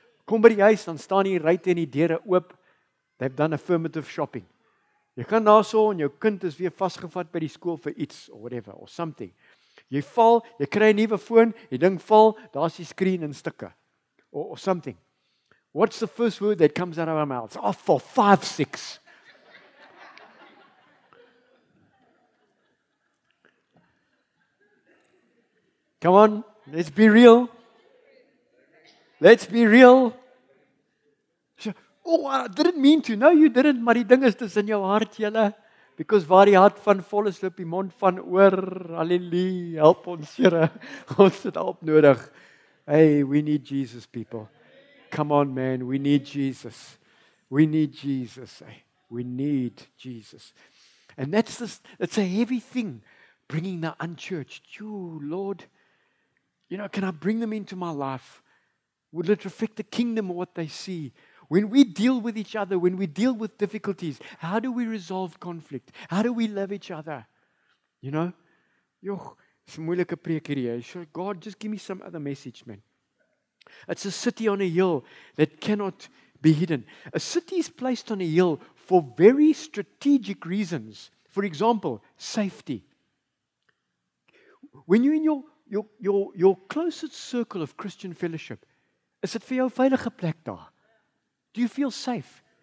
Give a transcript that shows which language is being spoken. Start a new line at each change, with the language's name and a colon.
Afrikaans: Kom by die huis, dan staan die ruit en die deure oop.
English: They've done affirmative shopping.
Afrikaans: Jy gaan daarso en jou kind is weer vasgevat by die skool vir iets
English: or whatever or something.
Afrikaans: Jy val, jy kry 'n nuwe foon, die ding val, daar's die skerm in stukke
English: or something. What's the first word that comes out of our mouths? Oh, for 5-6. Come on, let's be real. Let's be real. Oh, I didn't mean to. No, you didn't.
Afrikaans: Maar die ding is dis in jou hart, julle.
English: Because
Afrikaans: waar die hart van vol is, loop die mond van oor. Halleluja, help ons, Here. Ons het help nodig.
English: Hey, we need Jesus, people. Come on, man. We need Jesus. We need Jesus. Hey, we need Jesus. And that's a heavy thing, bringing the unchurched. You, Lord. You know, can I bring them into my life? Would it affect the kingdom or what they see? When we deal with each other, when we deal with difficulties, how do we resolve conflict? How do we love each other? You know? Joch, it's a
Afrikaans: moeilijke preek hier.
English: God, just give me some other message, man. It's a city on a hill that cannot be hidden. A city is placed on a hill for very strategic reasons. For example, safety. When you're in your closest circle of Christian fellowship, is it for
Afrikaans: jou veilige plek daar?
English: Do you feel safe?